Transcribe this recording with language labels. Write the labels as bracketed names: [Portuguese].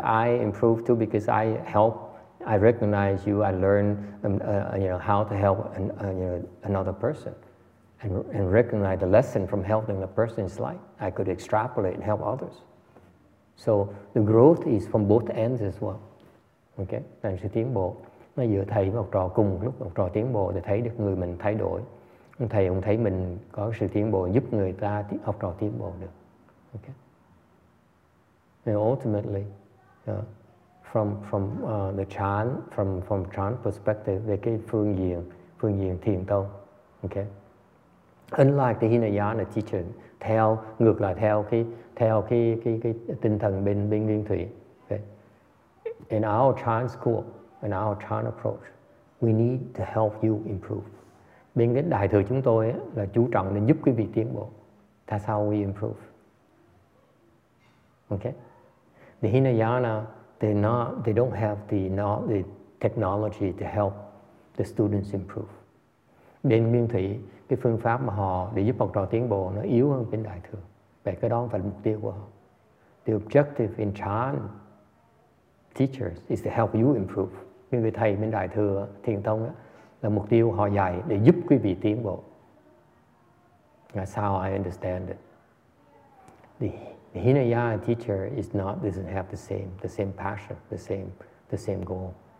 [English] I improve too because I help. I recognize you. I learn, how to help another person, and recognize the lesson from helping the person is like I could extrapolate and help others. So the growth is from both ends as well. [Vietnamese] Okay, thành sự tiến bộ. Nó giữa thầy và học trò cùng lúc học trò tiến bộ để thấy được người mình thay đổi. Thầy cũng thấy mình có sự tiến bộ giúp người ta học trò tiến bộ được. Okay. [English] And ultimately, from chan perspective, [Vietnamese] về cái phương diện thiền tông. [English] Okay. Unlike the Hinayana teaching, [Vietnamese] theo cái tinh thần bên Nguyên Thủy. [English] Okay. In our chan school, in our chan approach, we need to help you improve. [Vietnamese] Bên cái đại thừa chúng tôi ấy, là chú trọng để giúp quý vị tiến bộ. [English] That's how we improve. Okay? The Hinayana, they don't have the technology to help the students improve. [Vietnamese] Bên Nguyên Thủy, cái phương pháp mà họ để giúp học trò tiến bộ nó yếu hơn bên đại thừa. Vậy cái đó phải là mục tiêu của họ. [English] The objective in Chan teachers is to help you improve. [Vietnamese] Nhưng người thầy bên đại thừa, thiền tông á, là mục tiêu họ dạy để giúp quý vị tiến bộ. [English] That's how I understand it. The Hinayana teacher is not doesn't have the same passion, the same goal.